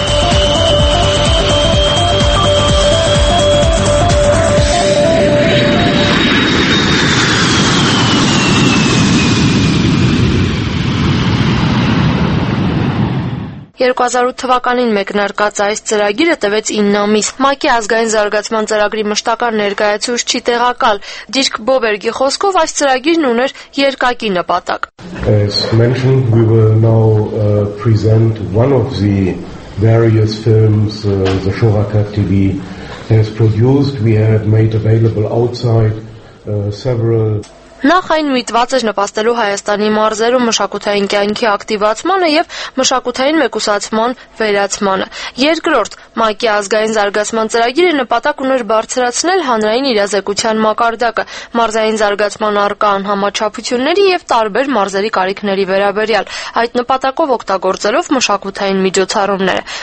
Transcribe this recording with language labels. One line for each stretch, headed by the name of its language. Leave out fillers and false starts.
Armenian: Թվականին մեկնարկած այս ծրագիրը տևեց 9 ամիս։ ՄԱԿ-ի ազգային զարգացման ծրագրի մշտական ներկայացուցիչի տեղակալ Դիրք Բովերգի խոսքով այս ծրագիրն ուներ երկակի նպատակ։
English: As mentioned, we will now present one of the various films the Shoraka TV has produced. We have made available outside several
Armenian: Նախ այն միտված էր նպաստելու Հայաստանի մարզերում մշակութային կյանքի ակտիվացմանը և մշակութային մեկուսացման վերացմանը։ Երկրորդ, ՄԱԿ-ի ազգային զարգացման ծրագիրը նպատակ ուներ բարձրացնել հանրային իրազեկության մակարդակը մարզային զարգացման առկա անհամաչափությունների և տարբեր մարզերի կարիքների վերաբերյալ, այդ նպատակով օգտագործելով մշակութային միջոցառումները,